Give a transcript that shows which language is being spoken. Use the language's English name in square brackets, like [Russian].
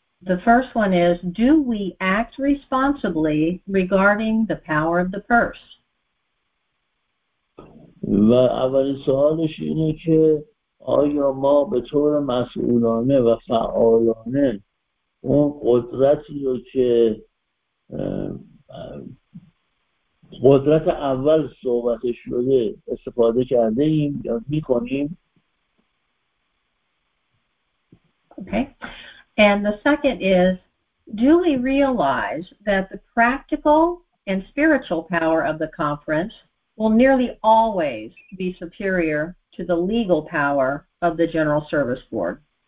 [English] The first one is, do we act responsibly regarding the power of the purse? [Persian] و اولین سوالش اینه که آیا ما به طور مسئولانه و فعالانه اون قدرتی رو که قدرت اول صحبت شده استفاده کرده ایم یا می کنیم؟ [English] Okay. And the second is, do we realize that the practical and spiritual power of the conference will nearly always be superior to the legal power of the General Service Board?